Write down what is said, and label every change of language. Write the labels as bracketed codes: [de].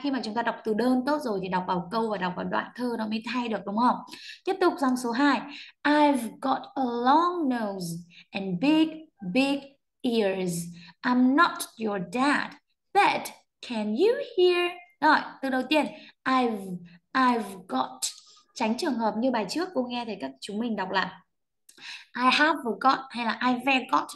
[vi] Khi mà chúng ta đọc từ đơn tốt rồi thì đọc vào câu và đọc vào đoạn thơ nó mới thay được đúng không? Tiếp tục dòng số 2. [en] I've got a long nose and big, big ears. I'm not your dad, but can you hear? [vi] Rồi, từ đầu tiên. I've got. Tránh trường hợp như bài trước cô nghe thấy các chúng mình đọc là [en] I have got [vi] hay là [en] I've got.